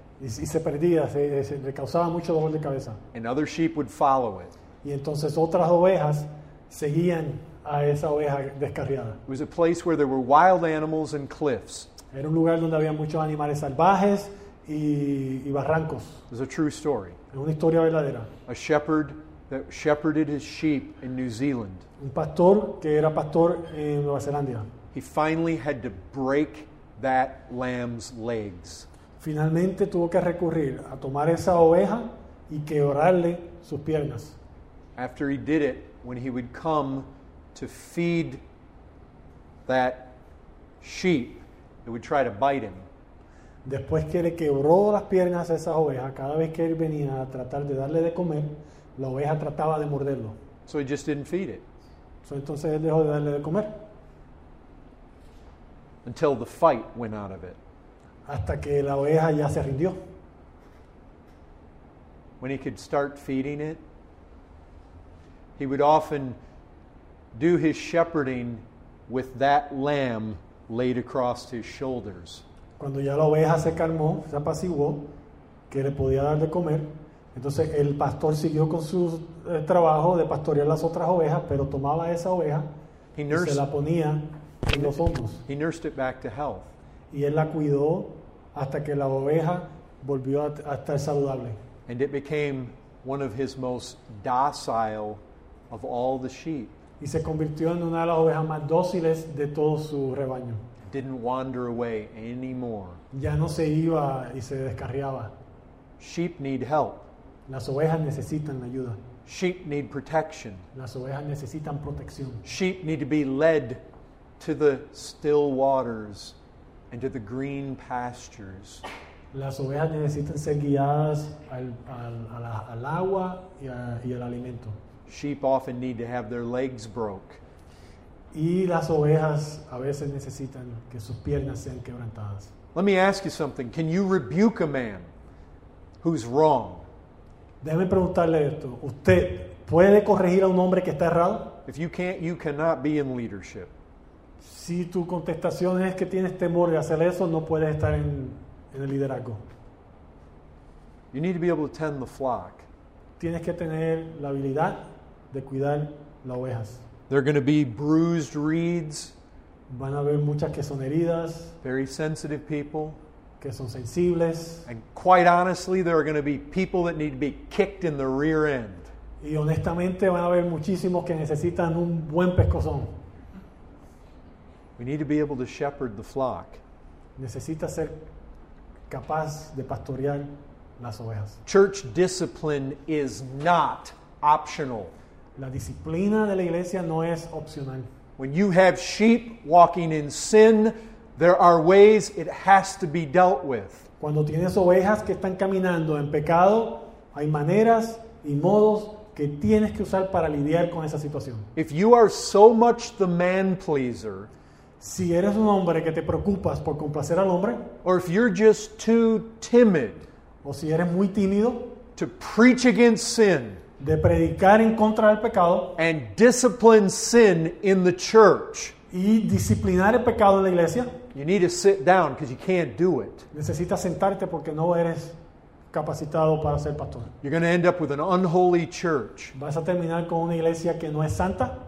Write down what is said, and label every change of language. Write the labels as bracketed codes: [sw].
[es] Y se perdía, se le causaba mucho dolor de cabeza. [en] And other sheep would follow it. [es] Y entonces otras ovejas seguían a esa oveja descarriada. [en] It was a place where there were wild animals and cliffs. [es] Era un lugar donde había muchos animales salvajes y barrancos. [en] It was a true story. [es] Es una historia verdadera. [en] A shepherd that shepherded his sheep in New Zealand. [es] Un pastor que era pastor en Nueva Zelanda. [en] He finally had to break that lamb's legs. [es] Finalmente tuvo que recurrir a tomar esa oveja y quebrarle sus piernas. [en] After he did it, when he would come to feed that sheep, it would try to bite him. [es] Después que le quebró las piernas a esa oveja, cada vez que él venía a tratar de darle de comer, la oveja trataba de morderlo. [en] So he just didn't feed it. [es] So entonces él dejó de darle de comer. [en] Until the fight went out of it. [es] Hasta que la oveja ya se rindió. [en] When he could start feeding it, he would often do his shepherding with that lamb laid across his shoulders. [es] Cuando ya la oveja se calmó, se apaciguó, que le podía dar de comer, entonces el pastor siguió con su trabajo de pastorear las otras ovejas, pero tomaba esa oveja y se la ponía en los hombros. [en] He nursed it back to health. [es] Y él la cuidó hasta que la oveja volvió a estar saludable. [en] And it became one of his most docile of all the sheep. [es] Y se convirtió en una de las ovejas más dóciles de todo su rebaño. [en] Didn't wander away anymore. [es] Ya no se iba y se descarriaba. [en] Sheep need help. [es] Las ovejas necesitan ayuda. [en] Sheep need protection. [es] Las ovejas necesitan protección. [en] Sheep need to be led to the still waters and to the green pastures. [es] Las ovejas necesitan ser guiadas al agua y al alimento. [en] Sheep often need to have their legs broke. [es] Y las ovejas a veces necesitan que sus piernas sean quebrantadas. [en] Let me ask you something. Can you rebuke a man who's wrong? [es] Déjame preguntarle esto. ¿Usted puede corregir a un hombre que está errado? [en] If you can't, you cannot be in leadership. [es] Si tu contestación es que tienes temor de hacer eso, no puedes estar en el liderazgo. [en] You need to be able to tend the flock. [es] Tienes que tener la habilidad de cuidar las ovejas. [en] There are going to be bruised reeds. [es] Van a haber muchas que son heridas. [en] Very sensitive people. [es] Que son sensibles. [en] And quite honestly, there are going to be people that need to be kicked in the rear end. [es] Y honestamente, van a haber muchísimos que necesitan un buen pescozón. [en] We need to be able to shepherd the flock. [es] Necesita ser capaz de pastorear las ovejas. [en] Church discipline is not optional. [es] La disciplina de la iglesia no es opcional. [en] When you have sheep walking in sin, there are ways it has to be dealt with. [es] Cuando tienes ovejas que están caminando en pecado, hay maneras y modos que tienes que usar para lidiar con esa situación. [en] If you are so much the man pleaser, [es] si eres un hombre que te preocupas por complacer al hombre, [en] or if you're just too timid, [es] o si eres muy tímido, [en] to preach against sin, [es] de predicar en contra del pecado, [en] and discipline sin in the church, [es] y disciplinar el pecado en la iglesia, [en] you need to sit down because you can't do it. [es] Necesitas sentarte porque no eres capacitado para ser pastor. [en] You're going to end up with an unholy church. [es] Vas a terminar con una iglesia que no es santa.